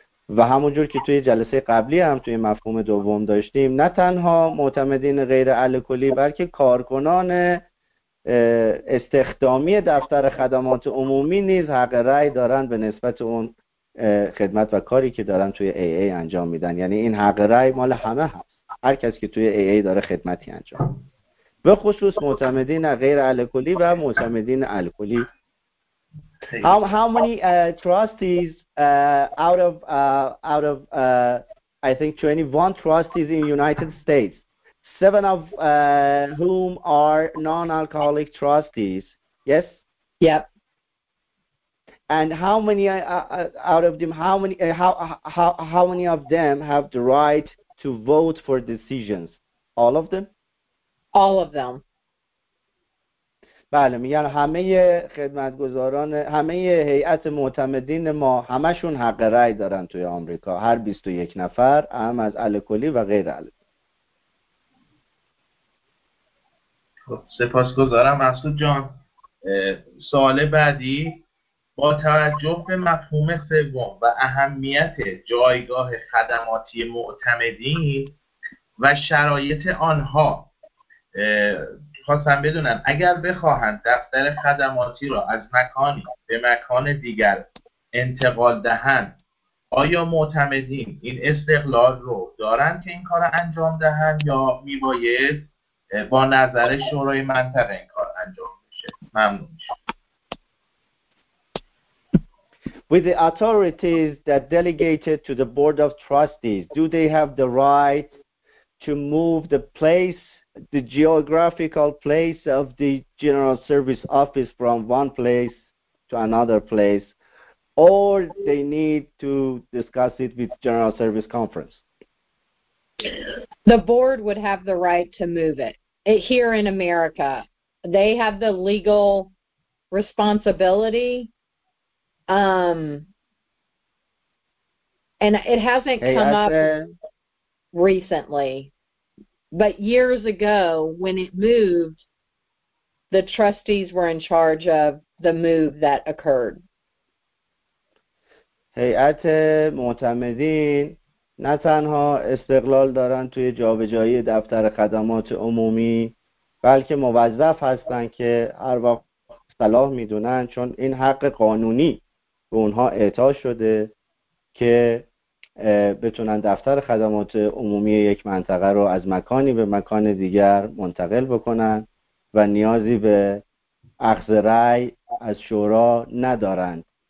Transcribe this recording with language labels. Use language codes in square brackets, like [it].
[fa] و همونجور که توی جلسه قبلی هم توی مفهوم دوم داشتیم، نه تنها معتمدین غیر الکلی بلکه کارکنان استخدامی دفتر خدمات عمومی نیز حق رأی دارن به نسبت اون خدمت و کاری که دارن توی AA انجام میدن. یعنی این حق رأی مال همه هست، هر کسی که توی AA داره خدمتی انجام میده، به خصوص معتمدین غیر الکلی و معتمدین الکلی. [en] How many trustees out of I think 21 trustees in United States, seven of whom are non-alcoholic trustees? Yes. Yep. And how many out of them? How many of them have the right to vote for decisions? All of them. All of them. [fa] بله، میگن همه خدمتگزاران، همه هیئت معتمدین ما، همشون حق رأی دارن توی آمریکا، هر 21 نفر، هم از الکلی و غیر الکلی. خب سپاسگزارم مسعود جان. سوال بعدی، با توجه به مفهوم سوم و اهمیت جایگاه خدماتی معتمدین و شرایط آنها، خواستم بدونم اگر بخواهند دفتر خدماتی را از مکانی به مکان دیگر انتقال دهند، آیا معتمدین این استقلال را دارند که این کار را انجام دهند یا میباید با نظر شورای منطقه این کار انجام بشه؟ ممنون. [en] With the authorities that delegated to the board of trustees, do they have the right to move the place, the geographical place of the General Service Office from one place to another place, or they need to discuss it with General Service Conference? The board would have the right to move it. Here in America, they have the legal responsibility. And it hasn't come up recently, but years ago when it moved, the trustees were in charge of the move that occurred. [fa] هیئت معتمدین نه تنها استقلال دارن توی جابجایی دفتر خدمات عمومی، بلکه موظف هستن که هر وقت صلاح میدونن، چون این حق قانونی به اونها اعطا شده که بتونن دفتر خدمات عمومی یک منطقه رو از مکانی به مکان دیگر منتقل بکنن و نیازی به اخذ رأی از شورا ندارند.